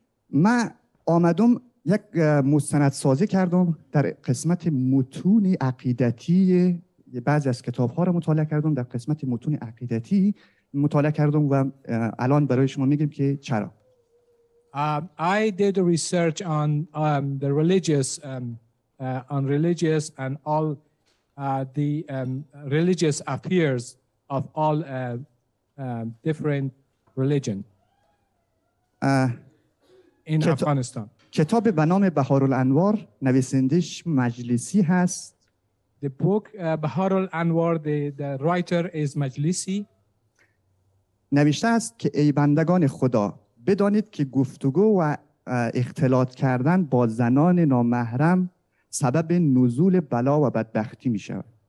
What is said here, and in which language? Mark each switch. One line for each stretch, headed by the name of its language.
Persian: ما آمدم یک مستند سازی کردم در قسمت متون عقیدتی. بعضی از کتاب‌ها رو مطالعه کردم در قسمت متون عقیدتی مطالعه کردم و الان برای شما میگم که چرا.
English: I did a research on the religious on religious and all the religious affairs of all different religion in Afghanistan.
Persian: کتاب به نام بهار الانوار نویسندش مجلسی هست.
English: The book Bahar al-Anwar, the writer is Majlisi.
Persian: نوشته است که ای بندگان خدا بدانید که گفتگو و اختلاط کردن با زنان نامحرم سبب نزول بلا و بدبختی می شود.